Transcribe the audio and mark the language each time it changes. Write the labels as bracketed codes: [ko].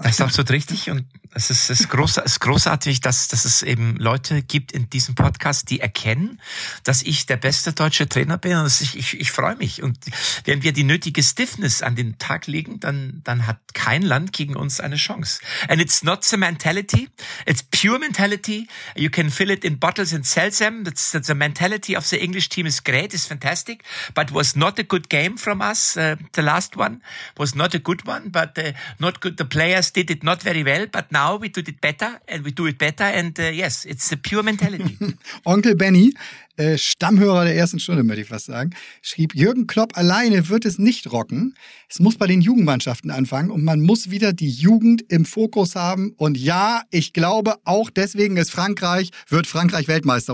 [de] Das ist absolut richtig und es ist großartig, dass es eben Leute gibt in diesem Podcast, die erkennen, dass ich der beste deutsche Trainer bin. Und ich freue mich. Und wenn wir die nötige Stiffness an den Tag legen, dann hat kein Land gegen uns eine Chance. [en] And it's not the mentality. It's pure mentality. You can fill it in bottles and sell them. That's the mentality of the English team is great. It's fantastic. But was not a good game from us. The last one was not a good one. But not good. The players did it not very well. But now we did it better. And we do it better. And yes, it's the pure mentality. [de] Onkel Benny, Stammhörer der ersten Stunde, möchte ich fast sagen, schrieb, Jürgen Klopp alleine wird es nicht rocken. Es muss bei den Jugendmannschaften anfangen und man muss wieder die Jugend im Fokus haben. Und ja, ich glaube, auch deswegen ist wird Frankreich Weltmeister.